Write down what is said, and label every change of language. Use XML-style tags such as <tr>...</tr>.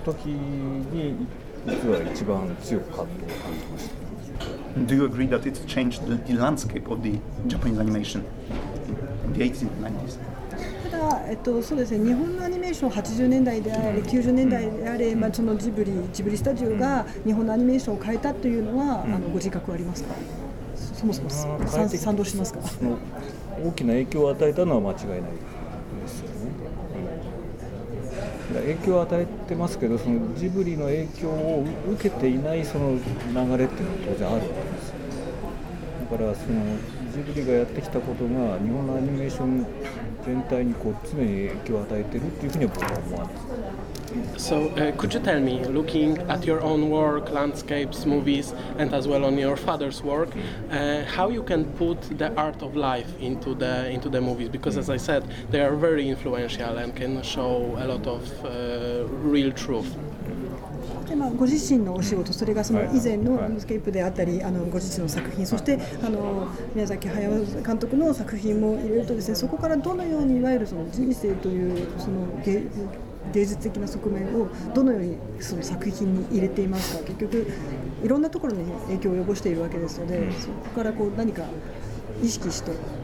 <ja>だからその時に実は一番強く葛藤を感じました。</ja> <en>Do you agree that it's changed the landscape of the Japanese animation in the 80s and 90s?</en> <ja>ただ、そうですね、日本のアニメーション80年代であれ90年代であれ、まあ、そのジブリスタジオが日本のアニメーションを変えたというのは、ご自覚ありますか？そもそも賛同しますか？その大きな影響を与えたのは間違いないですよね。影響を与えてますけど、そのジブリの影響を受けていないその流れっていうのは当然あるわけですよ。だからそのジブリがやってきたことが日本のアニメーション全体にこう常に影響を与えてるっていうふうに僕は思わない。</ja> <en>So, could you tell me, looking at your own work, landscapes, movies, and as well on your father's work, how you can put the art of life into the movies? Because as I said, they are very influential and can show a lot of real truth.</en> <ja>まあ、ご自身のお仕事、それがその以前のランドスケープであったり、ご自身の作品、そして宮崎駿監督の作品も入れるとですね、そこからどのようにいわゆるその人生というその芸術的な側面をどのようにその作品に入れていますか。結局いろんなところに影響を及ぼしているわけですので、そこからこう何か意識してい</ja>